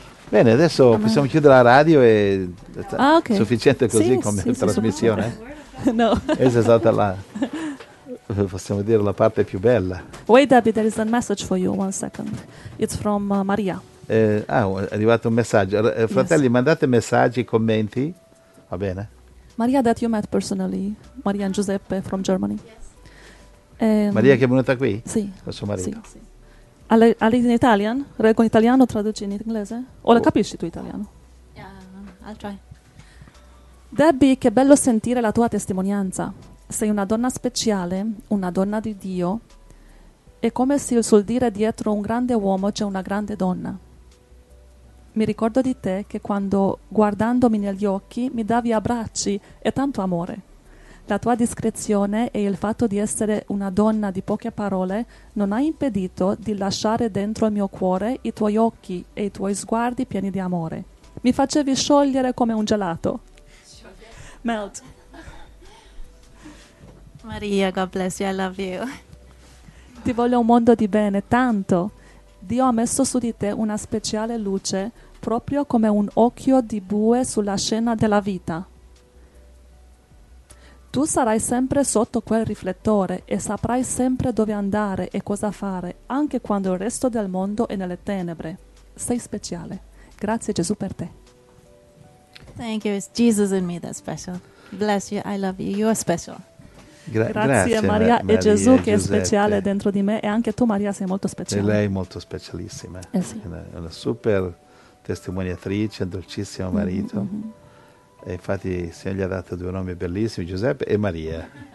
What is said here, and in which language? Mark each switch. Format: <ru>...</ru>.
<it>Bene, adesso possiamo chiudere la radio e okay. Sufficiente così come trasmissione. No. Questa è stata la, possiamo dire, la parte più bella.</it> <en>Wait, Debbie, there is a message for you, one second. It's from Maria.</en> <it>È arrivato un messaggio. Fratelli, yes. Mandate messaggi, commenti, va bene?</it> <en>Maria that you met personally, Maria and Giuseppe from Germany.</en> <it>Yes. Maria che è venuta qui? Sì. Con suo marito? Sì, sì.</it> <en>Are you in Italian?</en> <it>Reggo in italiano, traduci in inglese? O la capisci tu italiano?</it> <en>Yeah, I'll try.</en> <it>Debbie, che bello sentire la tua testimonianza. Sei una donna speciale, una donna di Dio, e come si suol dire dietro un grande uomo c'è una grande donna. mi ricordo di te che quando, guardandomi negli occhi, mi davi abbracci e tanto amore. La tua discrezione e il fatto di essere una donna di poche parole non ha impedito di lasciare dentro il mio cuore i tuoi occhi e i tuoi sguardi pieni di amore. Mi facevi sciogliere come un gelato.</it> <en>Melt. Maria, God bless you, I love you.</en> <it>Ti voglio un mondo di bene, tanto. Dio ha messo su di te una speciale luce, proprio come un occhio di bue sulla scena della vita. Tu sarai sempre sotto quel riflettore e saprai sempre dove andare e cosa fare, anche quando il resto del mondo è nelle tenebre. Sei speciale. Grazie Gesù per te.</it> <en>Thank you, it's Jesus in me that's special. Bless you, I love you, you are special.</en> <it>Grazie Maria e Gesù che Giuseppe. È speciale dentro di me, e anche tu Maria sei molto speciale. E lei è molto specialissima, sì. Una super testimoniatrice, un dolcissimo marito. Mm-hmm. E infatti il Signore gli ha dato due nomi bellissimi, Giuseppe e Maria.</it>